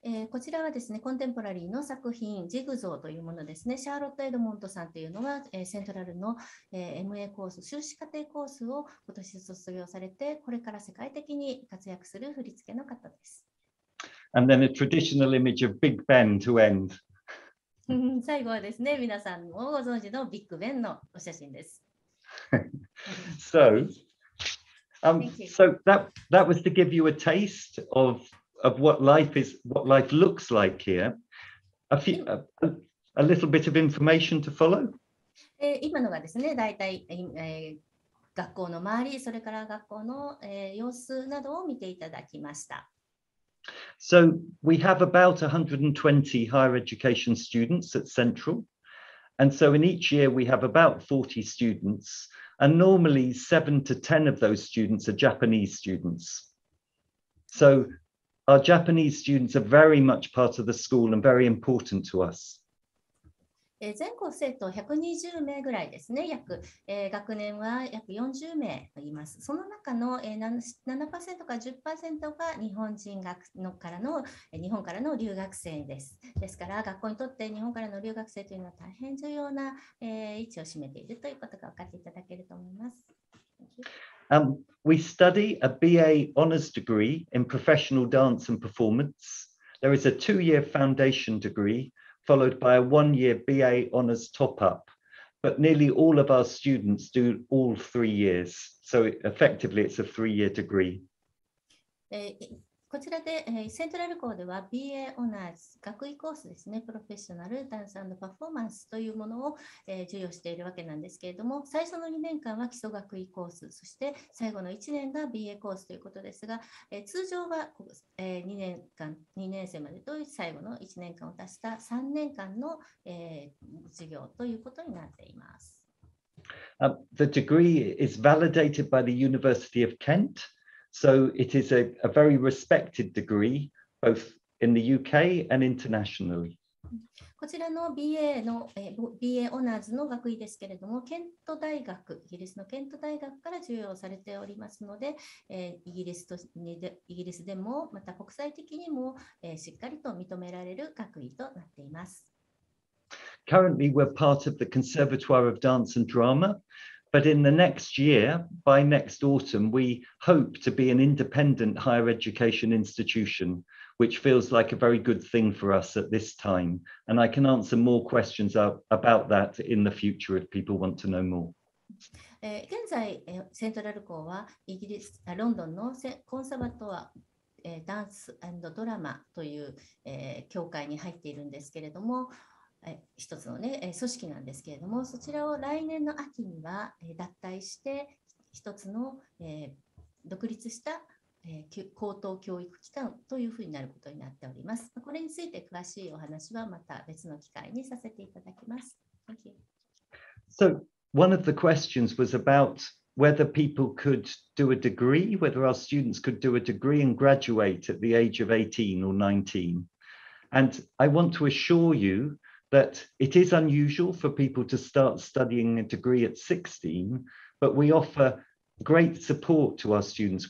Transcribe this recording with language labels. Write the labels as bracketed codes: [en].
[ja] こちらはですね、コンテンポラリーの作品、ジグゾーというものですね。シャーロット・エドモントさんというのは、セントラルの、MA コース、修士課程コースを今年卒業されて、これから世界的に活躍する振り付けの方です。 [en] And then a traditional image of Big Ben to end. [ja] 最後はですね、皆さんもご存知のビッグベンのお写真です。 [en] So, so that was to give you a taste of what life looks like here. A little bit of information to follow. [ja] 今のがですね、大体、学校の周り、それから学校の、様子などを見ていただきました。 [en] So we have about 120 higher education students at Central. And so in each year we have about 40 students. And normally 7 to 10 of those students are Japanese students. So,Our Japanese students are very much part of the school and very important to us. [ja] 全校生徒120名ぐらいですね。約、学年は約40名います。その中の、7% か 10% が日本人学のからの、日本からの留学生です。ですから、学校にとって日本からの留学生というのは大変重要な、位置を占めているということが分かっていただけると思います。 [en] We study a BA honors degree in professional dance and performance. There is a two-year foundation degree, followed by a one-year BA honors top-up. But nearly all of our students do all 3 years. So effectively, it's a three-year degree. [ja] こちらで、セントラル校では BA オーナーズ学位コースですね、プロフェッショナルダンス&パフォーマンスというものを、授与しているわけなんですけれども、最初の2年間は基礎学位コース、そして最後の1年が BA コースということですが、通常は、2年間、2年生までと最後の1年間を足した3年間の、授業ということになっています。 [en] The degree is validated by the University of Kent. So it is a very respected degree, both in the UK and internationally. [ja] こちらの BA の、BA オーナーズの学位ですけれども、ケント大学、イギリスのケント大学から授与されておりますので、イギリスでも、また国際的にも、しっかりと認められる学位となっています。 [en] Currently, we're part of the Conservatoire of Dance and Drama. But in the next year, by next autumn, we hope to be an independent higher education institution, which feels like a very good thing for us at this time. And I can answer more questions about that in the future if people want to know more. [ja] 現在、セントラル校はイギリス、ロンドンのコンサバトア、ダンス&ドラマという、協会に入っているんですけれども、一つの、ね、組織なんですけれども、そちらを来年の秋には脱退して、一つの独立した高等教育機関というふうになることになっております。これについて詳しいお話はまた別の機会にさせていただきます。 [en] Thank you. So one of the questions was aboutWhether people could do a degree, whether our students could do a degree and graduate at the age of 18 or 19. And I want to assure you that it is unusual for people to start studying a degree at 16, but we offer great support to our students.